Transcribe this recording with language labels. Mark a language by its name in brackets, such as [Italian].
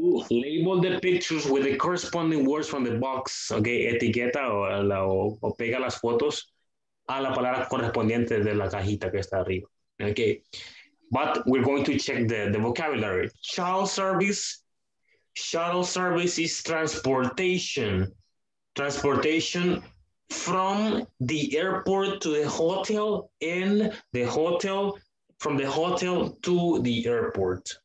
[English] Label the pictures with the corresponding words from the box. [Spanish] Okay, etiqueta o pega las fotos a la palabra correspondiente de la cajita que está arriba. [English] Okay, but we're going to check the vocabulary. Shuttle service is transportation. Transportation from the airport to the hotel and the hotel from the hotel to the airport.